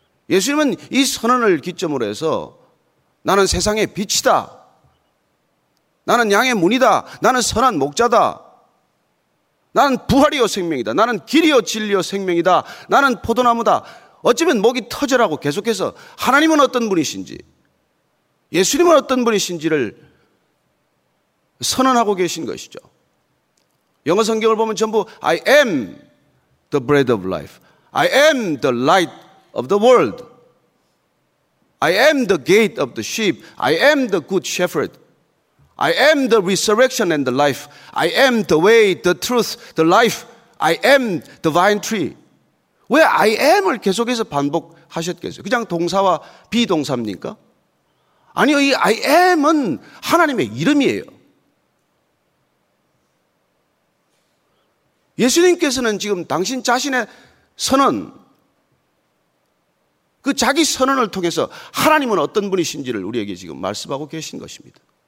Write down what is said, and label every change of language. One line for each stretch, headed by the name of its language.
Korean: 예수님은 이 선언을 기점으로 해서 나는 세상의 빛이다, 나는 양의 문이다, 나는 선한 목자다, 나는 부활이요 생명이다, 나는 길이요 진리요 생명이다, 나는 포도나무다, 어쩌면 목이 터져라고 계속해서 하나님은 어떤 분이신지, 예수님은 어떤 분이신지를 선언하고 계신 것이죠. 영어 성경을 보면 전부
English: I am the bread of life, I am the light of the world, I am the gate of the sheep, I am the good shepherd, I am the resurrection and the life, I am the way, the truth, the life, I am the vine tree.
Korean: 왜 I am을 계속해서 반복하셨겠어요? 그냥 동사와 비동사입니까? 아니요, 이 I am은 하나님의 이름이에요. 예수님께서는 지금 당신 자신의 선언, 그 자기 선언을 통해서 하나님은 어떤 분이신지를 우리에게 지금 말씀하고 계신 것입니다.